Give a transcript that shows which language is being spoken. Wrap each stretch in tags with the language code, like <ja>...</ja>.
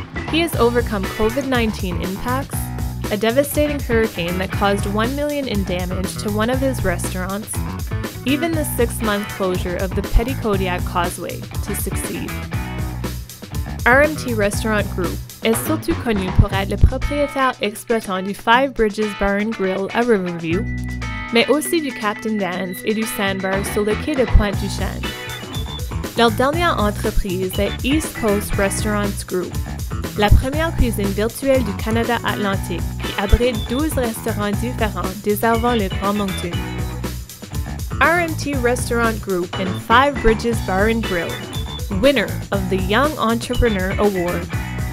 <en>He has overcome COVID-19 impacts, a devastating hurricane that caused $1 million in damage to one of his restaurants, even the six-month closure of the Petty Kodiak Causeway, to succeed.</en> <fr>RMT Restaurant Group is surtout connu pour être le propriétaire exploitant du Five Bridges Bar and Grill à Riverview, mais aussi du Captain Dan's et du Sandbar sur le quai de Pointe-du-Chêne. Leur dernière entreprise est East Coast Restaurants Group, la première cuisine virtuelle du Canada Atlantique qui abrite 12 restaurants différents desservant le Grand Moncton.</fr> <en>RMT Restaurant Group and Five Bridges Bar and Grill, winner of the Young Entrepreneur Award.</en>